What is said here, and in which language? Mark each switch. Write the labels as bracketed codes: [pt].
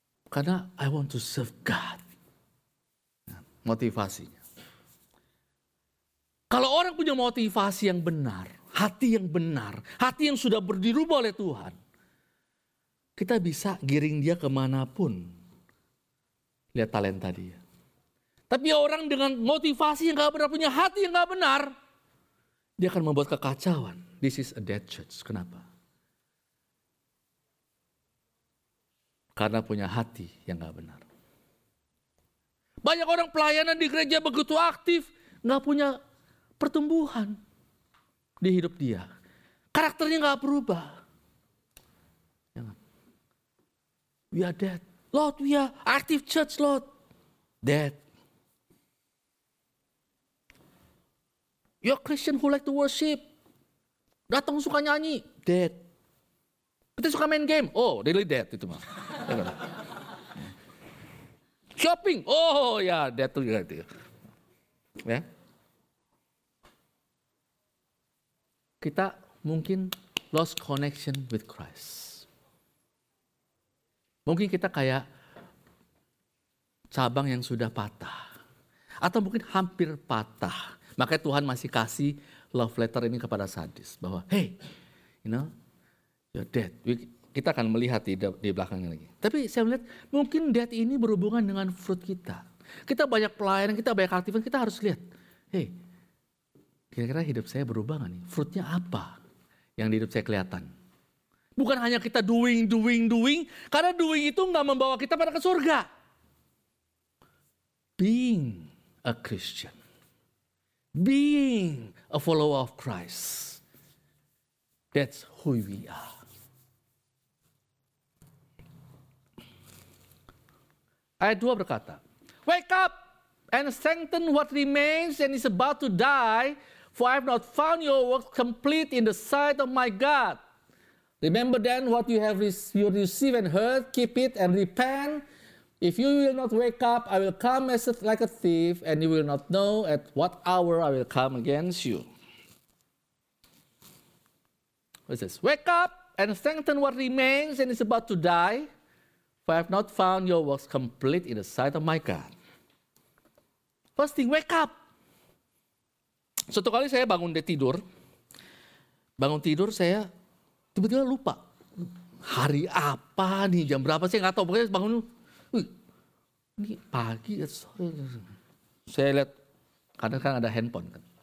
[en] Karena I want to serve God. [id] Motivasinya. Kalau orang punya motivasi yang benar, hati yang benar, hati yang sudah dirubah oleh Tuhan, kita bisa giring dia kemanapun. Lihat talenta dia. Tapi orang dengan motivasi yang gak benar, punya hati yang gak benar, dia akan membuat kekacauan. [en] This is a dead church. Kenapa? [id] Karena punya hati yang gak benar. Banyak orang pelayanan di gereja begitu aktif, gak punya pertumbuhan di hidup dia. Karakternya gak berubah. Jangan. [en] We are dead. Lord, we are active church, Lord. Dead. You're a Christian who like to worship. [id] Datang suka nyanyi. Dead. Kita suka main game. [en] Oh, really dead itu mah. [id] Shopping. Oh, ya, dead tuh gitu. Ya. Kita mungkin [en] lost connection with Christ. [id] Mungkin kita kayak cabang yang sudah patah. Atau mungkin hampir patah. Makanya Tuhan masih kasih love letter ini kepada sadis. [en] Bahwa, hey, you know, you're dead. [id] Kita akan melihat di belakangnya lagi. Tapi saya melihat, mungkin dead ini berhubungan dengan fruit kita. Kita banyak pelayanan, kita banyak aktifan, kita harus lihat. Hey, kira-kira hidup saya berubah gak nih? Fruitnya apa yang di hidup saya kelihatan? Bukan hanya kita [en] doing, doing, doing. [id] Karena doing itu gak membawa kita pada ke surga. [en] Being a Christian. Being a follower of Christ, that's who we are. [id] Ayat 2 berkata, [en] wake up and strengthen what remains and is about to die, for I have not found your work complete in the sight of my God. Remember then what you have received and heard, keep it and repent. If you will not wake up, I will come as like a thief, and you will not know at what hour I will come against you. What is this? Wake up and strengthen what remains and is about to die, for I have not found your works complete in the sight of my God. First thing, wake up. [id] Suatu kali saya bangun dari tidur. Bangun tidur saya tiba-tiba lupa. Hari apa nih, jam berapa, saya gak tahu. Pokoknya bangun, ini pagi, saya lihat karena kan ada handphone kan.